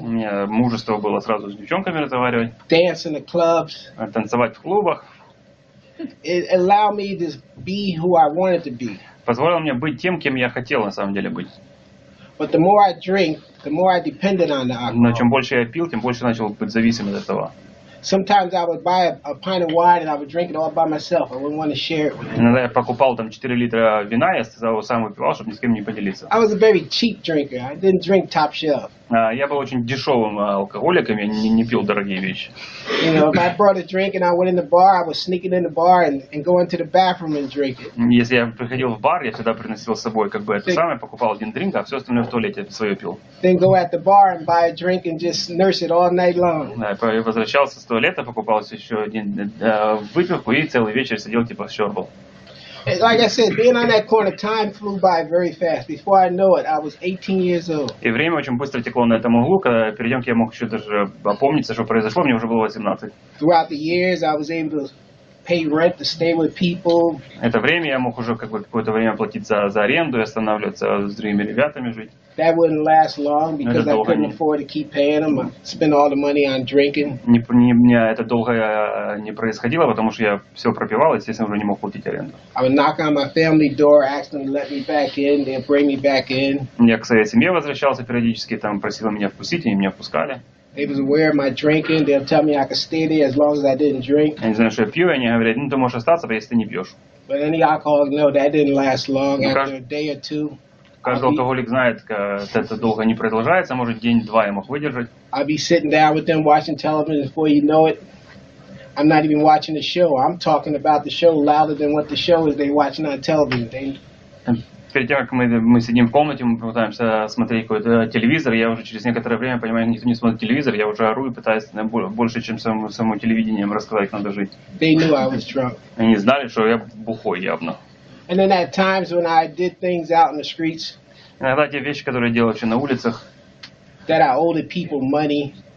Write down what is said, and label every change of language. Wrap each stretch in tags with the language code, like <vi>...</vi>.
<ru>У меня мужество было сразу с девчонками разговаривать.</ru> <en>Dance in the clubs.</en> <ru>Танцевать в клубах.</ru> <en>It allowed me to be who I wanted to be.</en> <ru>Позволило мне быть тем, кем я хотел на самом деле быть.</ru> <en>But the more I drank, the more I depended on the alcohol.</en> <ru>Но чем больше я пил, тем больше начал быть зависим от этого.</ru> <en>Sometimes I would buy a pint of wine and I would drink it all by myself. I wouldn't want to share it with anyone.</en> <ru>Я покупал там 4 литра вина, я сам выпивал, чтобы ни с кем не поделиться.</ru> <en>I was a very cheap drinker. I didn't drink top shelf.</en> <ru>Я был очень дешевым алкоголиком, я не пил дорогие вещи.</ru> <en>You know, if I brought a drink and I went in the bar, I would sneak it in the bar and go into the bathroom and drink it.</en> <ru>Если я приходил в бар, я всегда приносил с собой как бы это самое, покупал один дринк, а все остальное в туалете свое пил.</ru> <en>Then go at the bar and buy a drink and just nurse it all night long.</en> <ru>Да, я возвращался с туалета, покупался еще один выпивку и целый вечер сидел типа щербал.</ru> <en>Like I said, being on that corner, time flew by very fast. Before I know it, I was 18 years old.</en> <ru>И время очень быстро текло на этом углу, когда перед тем, как я мог еще даже опомниться, что произошло, мне уже было 18.</ru> <en>Throughout the years, I was able to pay rent to stay with people.</en> <ru>Это время я мог уже как бы какое-то время платить за аренду и останавливаться с другими ребятами жить.</ru> <en>That wouldn't last long because I couldn't afford to keep paying them. I spent all the money on drinking.</en> <ru>Не это долго не происходило, потому что я все пропивал, естественно, уже не мог платить аренду.</ru> <en>I would knock on my family door, ask them to let me back in, they'd bring me back in.</en> <ru>Я к своей семье возвращался периодически, там просил меня впустить, и меня впускали.</ru> <en>They was aware of my drinking. They'll tell me I could stay there as long as I didn't drink.</en> <ru>Они знают, что я пью, и они говорят, ну ты можешь остаться, если ты не пьешь.</ru> <en>But any alcoholic, no, that didn't last long. After a day or two.</en> <ru>Каждый алкоголик знает, что это долго не продолжается, может день-два я мог выдержать.</ru> <en>I'd be sitting down with them watching television. Before you know it, I'm not even watching the show. I'm talking about the show louder than what the show is. They watching on television.</en> <ru>Перед тем, как мы сидим в комнате, мы пытаемся смотреть какой-то телевизор, я уже через некоторое время понимаю, никто не смотрит телевизор, я уже ору и пытаюсь больше, чем само телевидением рассказать, как надо жить.</ru> <en>They knew I was drunk.</en> <ru>Они знали, что я бухой явно.</ru> <en>And then at times when I did things out in the streets,</en> <ru>иногда те вещи, которые я делал еще на улицах,</ru> <en>that I owed people money,</en>